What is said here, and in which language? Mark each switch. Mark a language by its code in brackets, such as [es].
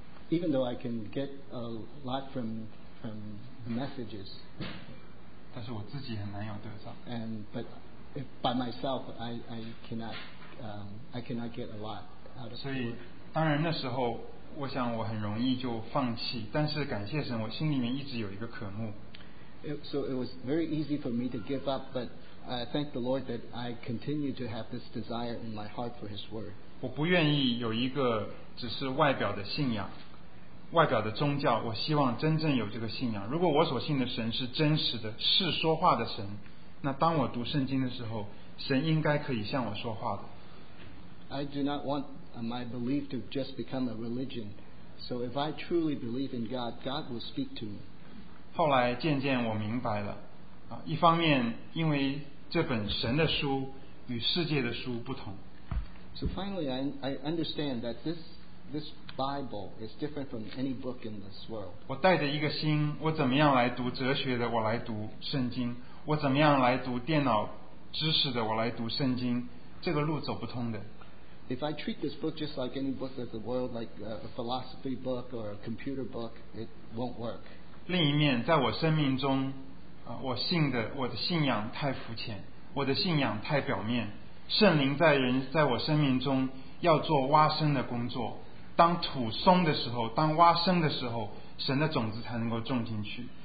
[en] Even though I can get a lot from the messages. [zh] 但是我自己很难有得着。 [en] But if by myself, I cannot get a lot out of it. [zh] 当然那时候我想我很容易就放弃，但是感谢神我心里面一直有一个渴慕。 [en] So it was very easy for me to give up, but I thank the Lord that I continue to have this desire in my heart for His word. [zh] 我不愿意有一个只是外表的信仰，外表的宗教，我希望真正有这个信仰。如果我所信的神是真实的，是说话的神，那当我读圣经的时候，神应该可以向我说话的。 [en] I do not wantmy belief to just become a religion. So if I truly believe in God, God will speak to me. [zh] 后来渐渐我明白了，一方面因为这本神的书与世界的书不同。 [en] So finally, I understand that this Bible is different from any book in this world. [zh] 我带着一个心，我怎么样来读哲学的，我来读圣经；我怎么样来读电脑知识的，我来读圣经，这个路走不通的。 [en] If I treat this book just like any book of the world, like a philosophy book or a computer book, it won't work. [zh] 另一面，在我生命中，我的信仰太肤浅，我的信仰太表面。圣灵在我生命中要做挖深的工作。当土松的时候，当挖深的时候，神的种子才能够种进去。